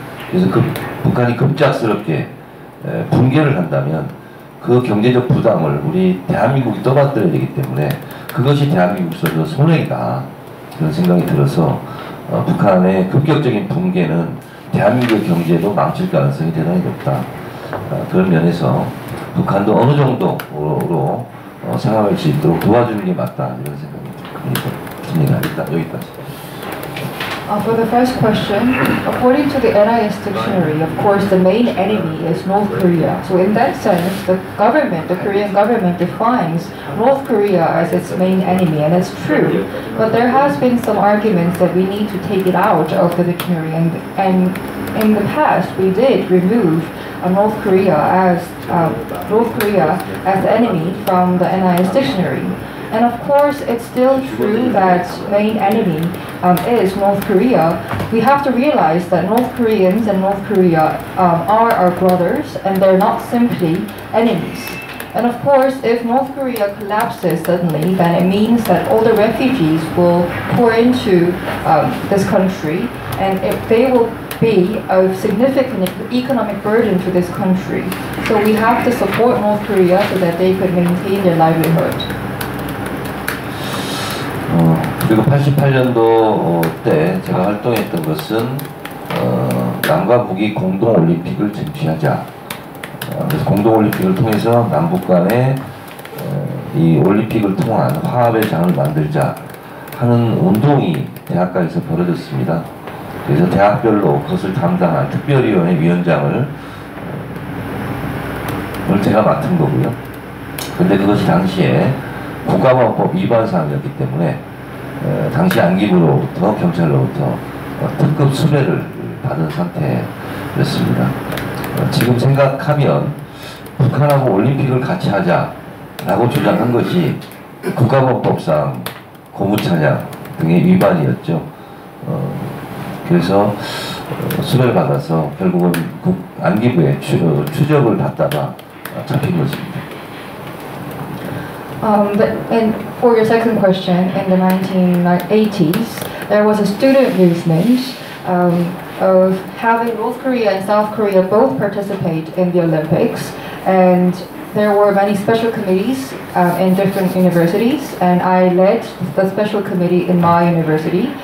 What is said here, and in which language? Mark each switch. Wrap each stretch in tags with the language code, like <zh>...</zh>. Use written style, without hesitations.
<ko>그래서 그 북한이 급작스럽게 붕괴를 한다면 그 경제적 부담을 우리 대한민국이 떠받들어야 되기 때문에 그것이 대한민국으로서 손해다 그런 생각이 들어서 북한의 급격적인 붕괴는 대한민국 경제도 망칠 가능성이 대단히 높다. 그런 면에서 북한도 어느 정도로 생각할 수 있도록 도와주는 게 맞다 이런 생각이 듭니다. 일단 여기까지.</ko> <en>For the first question, according to the NIS dictionary, of course the main enemy is North Korea. So in that sense, the government, the Korean government defines North Korea as its main enemy, and it's true. But there has been some arguments that we need to take it out of the dictionary, and in the past we did remove North Korea as the enemy from the NIS dictionary. And of course, it's still true that main enemy is North Korea. We have to realize that North Koreans and North Korea are our brothers, and they're not simply enemies. And of course, if North Korea collapses suddenly, then it means that all the refugees will pour into this country, and if they will be a significant economic burden to this country. So we have to support North Korea so that they could maintain their livelihood.</en> <ko>그리고 88년도 때 제가 활동했던 것은 남과 북이 공동올림픽을 쟁취하자. 그래서 공동올림픽을 통해서 남북 간에 이 올림픽을 통한 화합의 장을 만들자 하는 운동이 대학가에서 벌어졌습니다. 그래서 대학별로 그것을 담당한 특별위원회 위원장을 제가 맡은 거고요. 근데 그것이 당시에 국가보안법 위반 사항이었기 때문에 당시 안기부로부터 경찰로부터 특급 수배를 받은 상태였습니다. 지금 생각하면 북한하고 올림픽을 같이 하자라고 주장한 것이 국가보안법상 고무차량 등의 위반이었죠. 그래서 수배를 받아서 결국은 안기부에 추적을 받다가 잡힌 것입니다.</ko> <en>And for your second question, in the 1980s, there was a student movement of having North Korea and South Korea both participate in the Olympics. And there were many special committees in different universities, and I led the special committee in my university.</en>